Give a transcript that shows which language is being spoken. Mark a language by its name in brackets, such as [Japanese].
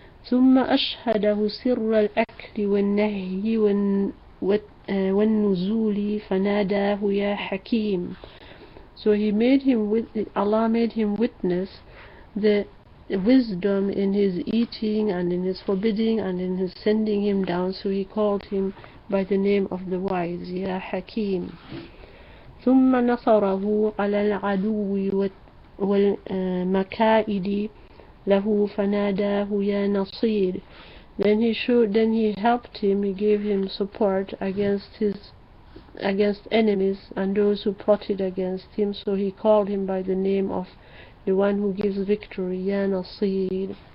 [Arabic] ثُمَّ أَشْهَدَهُ سِرَّ الْأَكْلِ وَالنَّهْيِ وَالنُّزُولِ فَنَادَاهُ يَا حَكِيمٌ. [English] So he made him, Allah made him witness the wisdom in his eating and in his forbidding and in his sending him down, so he called him by the name of the wise, [Arabic] Ya Hakim. ثم نصره على العدو والمكائد له فناداه يا نصير. [English] Then he helped him, he gave him support against enemies and those who plotted against him, so he called him by the name of the one who gives victory, [Arabic] Ya Nasir.